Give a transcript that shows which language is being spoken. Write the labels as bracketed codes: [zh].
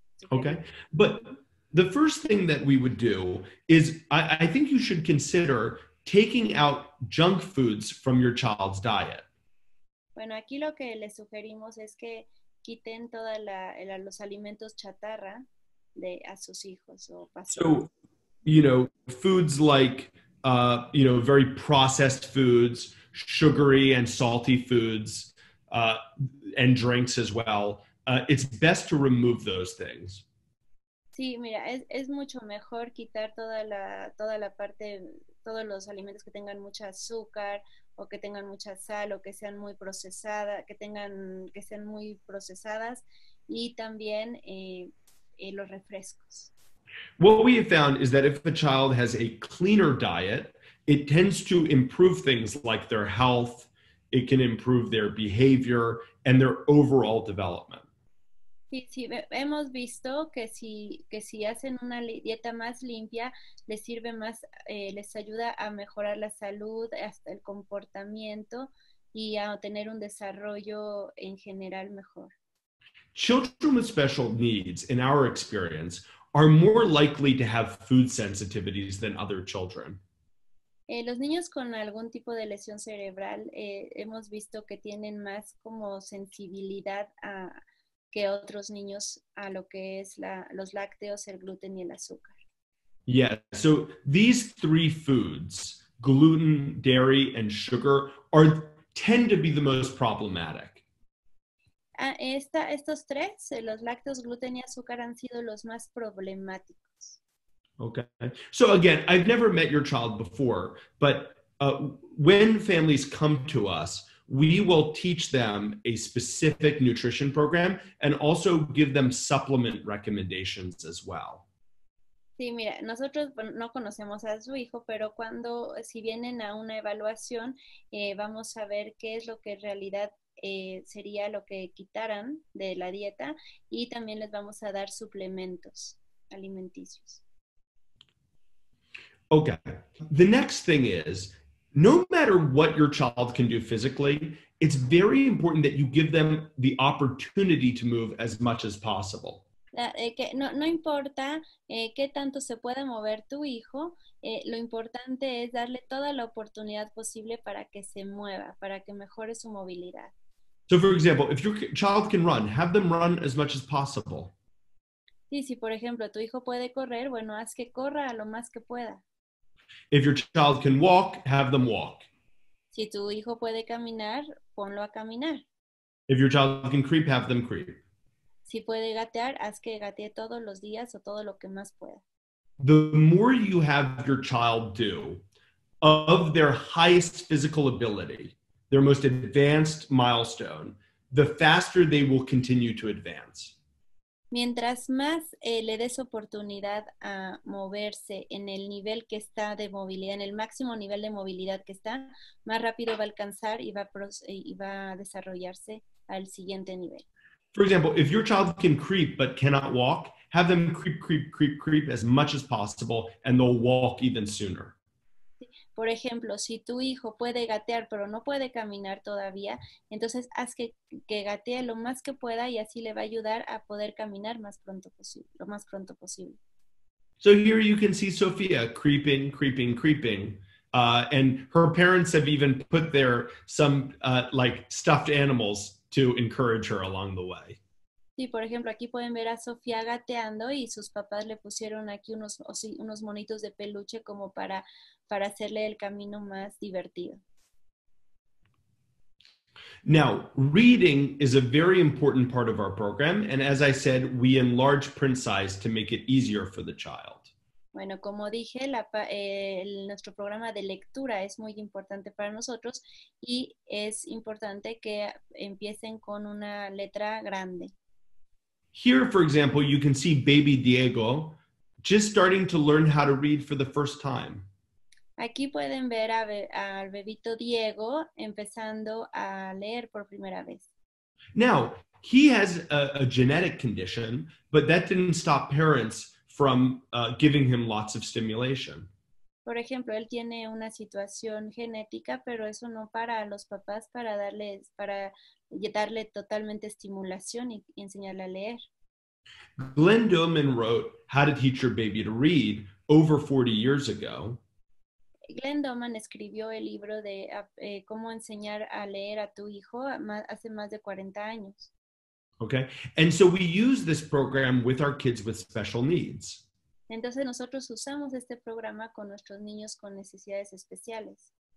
[en] Okay, but the first thing that we would do is, I think you should consider taking out junk foods from your child's diet. [es] Bueno, aquí lo que les sugerimos es que quiten todos los alimentos chatarra a sus hijos o pastores. [en] So, you know, foods like, you know, very processed foods, sugary and salty foods, and drinks as well. It's best to remove those things. [es] Sí, mira, es mucho mejor quitar todos los alimentos que tengan mucho azúcar o que tengan mucha sal o que sean muy procesadas, y también los refrescos. [en] What we have found is that if a child has a cleaner diet, it tends to improve things like their health, it can improve their behavior and their overall development. [es] Sí, hemos visto que si hacen una dieta más limpia, les sirve más, les ayuda a mejorar la salud, hasta el comportamiento y a tener un desarrollo en general mejor. [en] Children with special needs, in our experience, are more likely to have food sensitivities than other children. [es] Los niños con algún tipo de lesión cerebral hemos visto que tienen más como sensibilidad a que otros niños a lo que es los lácteos, el gluten y el azúcar. [en] Yeah, so these three foods, gluten, dairy, and sugar, tend to be the most problematic. [es] Estos tres, los lácteos, gluten y azúcar, han sido los más problemáticos. [en] Okay. So again, I've never met your child before, but when families come to us, we will teach them a specific nutrition program and also give them supplement recommendations as well. [es] Sí, mira, nosotros no conocemos a su hijo, pero cuando, si vienen a una evaluación, vamos a ver qué es lo que en realidad sería lo que quitaran de la dieta y también les vamos a dar suplementos alimenticios. [en] Okay. The next thing is, no matter what your child can do physically, it's very important that you give them the opportunity to move as much as possible. [es] No importa qué tanto se pueda mover tu hijo, lo importante es darle toda la oportunidad posible para que se mueva, para que mejore su movilidad. [en] So for example, if your child can run, have them run as much as possible. [es] Sí, si por ejemplo tu hijo puede correr, bueno, haz que corra a lo más que pueda. [en] If your child can walk, have them walk. [es] Si tu hijo puede caminar, ponlo a caminar. [en] If your child can creep, have them creep. [es] Si puede gatear, haz que gatee todos los días o todo lo que más pueda. [en] The more you have your child do of their highest physical ability, their most advanced milestone, the faster they will continue to advance. [es] Mientras más le des oportunidad a moverse en el nivel que está de movilidad, en el máximo nivel de movilidad que está, más rápido va a alcanzar y va a desarrollarse al siguiente nivel. [en] For example, if your child can creep but cannot walk, have them creep, creep, creep, creep as much as possible and they'll walk even sooner. [es] Por ejemplo, si tu hijo puede gatear pero no puede caminar todavía, entonces haz que gatee lo más que pueda y así le va a ayudar a poder caminar más pronto posible, lo más pronto posible. [en] So here you can see Sophia creeping, creeping, creeping. And her parents have even put there some like stuffed animals to encourage her along the way. [es] Sí, por ejemplo, aquí pueden ver a Sofía gateando y sus papás le pusieron aquí unos monitos de peluche como para hacerle el camino más divertido. [en] Now, reading is a very important part of our program, and as I said, we enlarge print size to make it easier for the child. [es] Bueno, como dije, nuestro programa de lectura es muy importante para nosotros y es importante que empiecen con una letra grande. [en] Here, for example, you can see baby Diego just starting to learn how to read for the first time. [es] Aquí pueden ver al bebito Diego empezando a leer por primera vez. [en] Now, he has a genetic condition, but that didn't stop parents from giving him lots of stimulation. [es] Por ejemplo, él tiene una situación genética, pero eso no para a los papás para darle totalmente estimulación y enseñarle a leer. [en] Glenn Doman wrote How to Teach Your Baby to Read over 40 years ago. [es] Glenn Doman escribió el libro de Cómo enseñar a leer a tu hijo hace más de 40 años. [en] Okay, and so we use this program with our kids with special needs. [es] Entonces nosotros usamos este programa con nuestros niños con necesidades especiales.